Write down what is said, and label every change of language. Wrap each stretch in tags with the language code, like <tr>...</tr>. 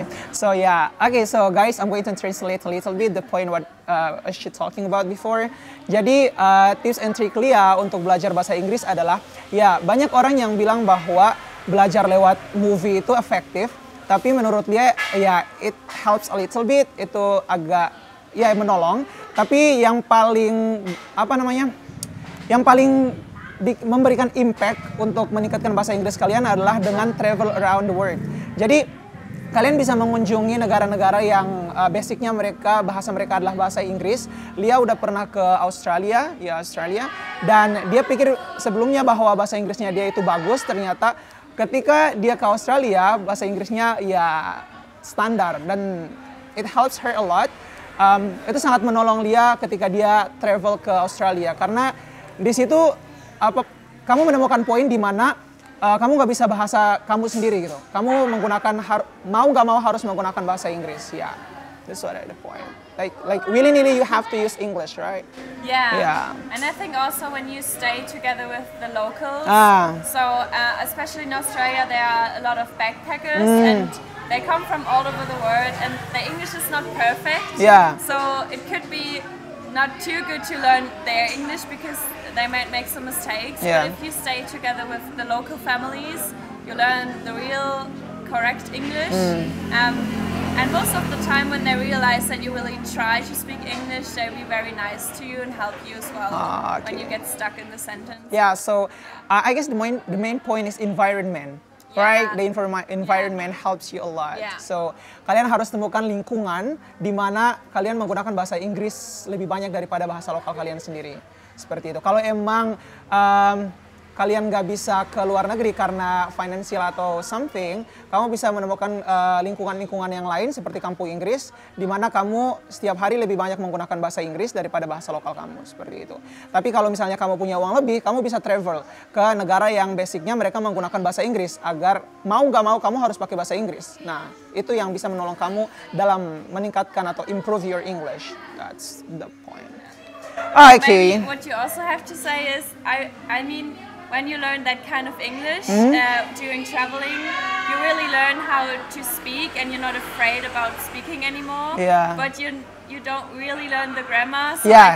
<en>So guys, I'm going to translate a little bit the point what she talking about before.</en> <id>Jadi tips and trick Lia untuk belajar bahasa Inggris adalah, ya, banyak orang yang bilang bahwa belajar lewat movie itu efektif, tapi menurut Lia, ya, it helps a little bit, itu agak, ya, menolong. Tapi yang paling, apa namanya, yang paling memberikan impact untuk meningkatkan bahasa Inggris kalian adalah dengan travel around the world. Jadi kalian bisa mengunjungi negara-negara yang basicnya mereka, bahasa mereka adalah bahasa Inggris. Lia udah pernah ke Australia, dan dia pikir sebelumnya bahwa bahasa Inggrisnya dia itu bagus. Ternyata ketika dia ke Australia, bahasa Inggrisnya ya standar dan it helps her a lot. Itu sangat menolong Lia ketika dia travel ke Australia karena di situ apa kamu menemukan poin di mana kamu nggak bisa bahasa kamu sendiri gitu. Kamu menggunakan mau nggak mau harus menggunakan bahasa Inggris ya.</id> <en>That's what the point. Like willy-nilly you have to use English, right? Yeah. And I think also when you stay together with the locals, especially in Australia, there are a lot of backpackers and they come from all over the world and their English is not perfect. Yeah. So it could be not too good to learn their English because they might make some mistakes. Yeah. But if you stay together with the local families, you learn the real correct English. And most of the time when they realize that you really try to speak English, they'll be very nice to you and help you as well when you get stuck in the sentence. Yeah, so I guess the main point is environment. Yeah. Right, the environment helps you a lot. Yeah.</en> <id>So kalian harus temukan lingkungan di mana kalian menggunakan bahasa Inggris lebih banyak daripada bahasa lokal kalian sendiri. Seperti itu. Kalau emang kalian nggak bisa ke luar negeri karena financial atau something, kamu bisa menemukan lingkungan-lingkungan yang lain seperti Kampung Inggris di mana kamu setiap hari lebih banyak menggunakan bahasa Inggris daripada bahasa lokal kamu, seperti itu. Tapi kalau misalnya kamu punya uang lebih, kamu bisa travel ke negara yang basicnya mereka menggunakan bahasa Inggris agar mau nggak mau kamu harus pakai bahasa Inggris. Nah, itu yang bisa menolong kamu dalam meningkatkan atau improve your English.</id> <en>That's the point. Okay. Maybe what you also have to say is, I mean, when you learn that kind of English during traveling, you really learn how to speak and you're not afraid about speaking anymore. Yeah. But you don't really learn the grammar. So yeah.</en>